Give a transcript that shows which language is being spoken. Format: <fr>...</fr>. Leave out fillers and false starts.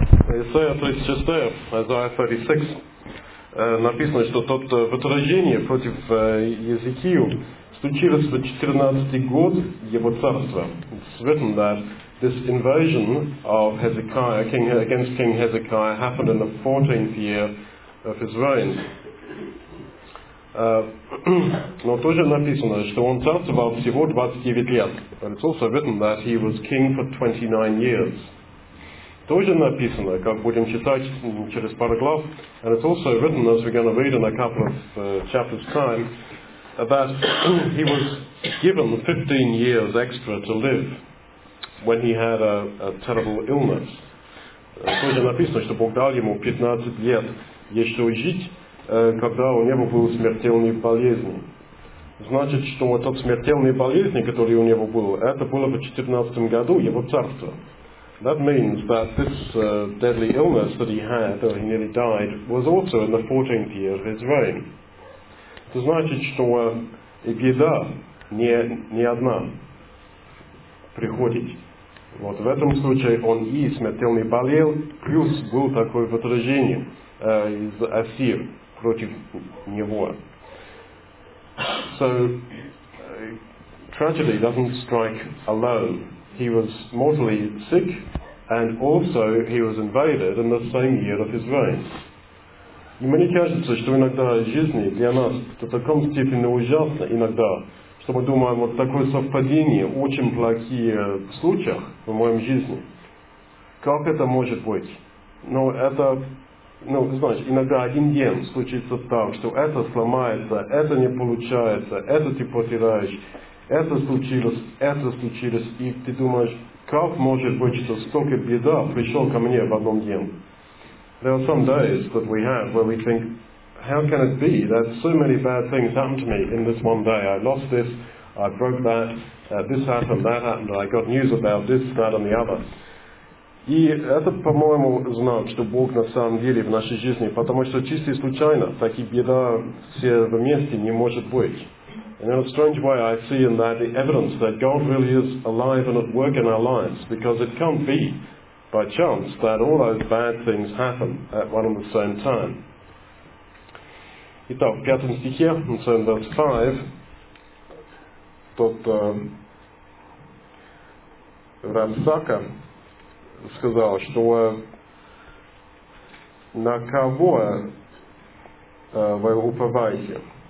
<ru>Исайя 36, Исайя 36, написано, что тот в отражении против Езекию случилось в 14-й год его царства.</ru> <en>It's written that this invasion of Hezekiah, king, against King Hezekiah, happened in the 14th year of his reign.</en> <ru>Но тоже написано, что он царствовал всего 29 лет.</ru> <en>But it's also written that he was king for 29 years.</en> <ru>Тоже написано, как будем читать через пару глав,</ru> <en>and it's also written, as we're going to read in a couple of chapters' time, that he was given 15 years extra to live when he had a terrible illness.</en> <ru>Тоже написано, что Бог дал ему 15 лет еще жить, когда у него был смертельный болезнь. Значит, что вот тот смертельный болезнь, который у него был, это было в 14 году его царства.</ru> <en>That means that this deadly illness that he had, though he nearly died, was also in the 14th year of his reign.</en> <ru>Это значит, что и беда не одна приходит. Вот в этом случае он и смертельный болел, плюс был такое отражение из Ассир против него.</ru> <en>So, tragedy doesn't strike alone. He was mortally sick, and also he was invaded in the same year of his reign.</en> <ru>И мне кажется, что иногда в жизни для нас это в таком степени ужасно иногда, что мы думаем, вот такое совпадение, очень плохие случаи в моем жизни. Как это может быть? Но это, ну, знаешь, иногда один день случится так, что это сломается, это не получается, это ты потеряешь, это случилось, и ты думаешь, как может быть, что столько беда пришел ко мне в одном день?</ru> <en>There are some days that we have where we think, how can it be that so many bad things happened to me in this one day? I lost this, I broke that, this happened, that happened, I got news about this, that and the other.</en> <ru>И это, по-моему, знак, что Бог на самом деле в нашей жизни, потому что чисто случайно такие беда все вместе не может быть.</ru> <en>And in a strange way, I see in that the evidence that God really is alive and at work in our lives, because it can't be by chance that all those bad things happen at one and the same time.</en> <ru>Итак, в пятом стихе,</ru> <en>in verse 5,</en> <ru>тот Рабсака сказал, что на кого вы уповаете?</ru>